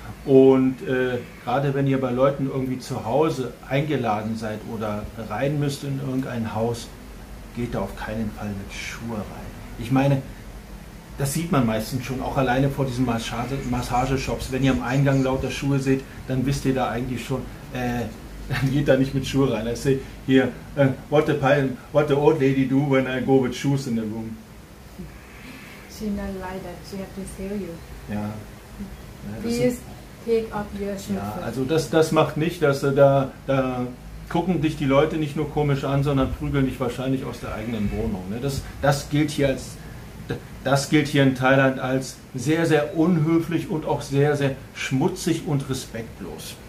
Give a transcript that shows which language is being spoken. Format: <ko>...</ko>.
<de>Und gerade wenn ihr bei Leuten irgendwie zu Hause eingeladen seid oder rein müsst in irgendein Haus, geht da auf keinen Fall mit Schuhe rein. Ich meine, das sieht man meistens schon, auch alleine vor diesen Massageshops. Wenn ihr am Eingang lauter Schuhe seht, dann wisst ihr da eigentlich schon, geht da nicht mit Schuhe rein.</de> <en>I say, here, what the old lady do when I go with shoes in the room? She not like that, she have to tell you.</en> <de>Ja.</de> <en>Please take off your shoes.</en> <de>Ja, also das macht nicht, dass da gucken dich die Leute nicht nur komisch an, sondern prügeln dich wahrscheinlich aus der eigenen Wohnung. Ne? Das gilt hier in Thailand als sehr, sehr unhöflich und auch sehr, sehr schmutzig und respektlos.</de>